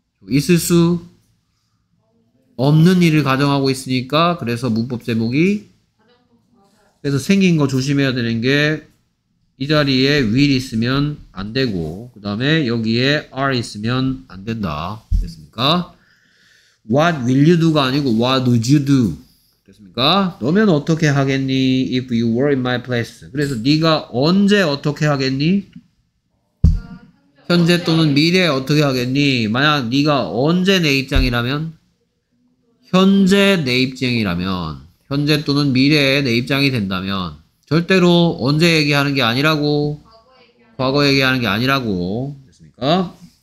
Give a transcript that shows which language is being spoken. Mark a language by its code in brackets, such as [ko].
[ko] 있을 수 없는 일을 가정하고 있으니까 그래서 문법 제목이 그래서 생긴 거 조심해야 되는 게 이 자리에 will 있으면 안 되고 그 다음에 여기에 are 있으면 안 된다 됐습니까? [en] What will you do가 [ko] 아니고 [en] What would you do? [ko] 됐습니까? 너면 어떻게 하겠니? [en] If you were in my place. [ko] 그래서 네가 언제 어떻게 하겠니? 현재 또는 미래에 어떻게 하겠니? 만약 네가 언제 내 입장이라면? 현재 내 입장이라면 현재 또는 미래에 내 입장이 된다면 절대로 언제 얘기하는 게 아니라고 과거 얘기하는 게 아니라고 됐습니까?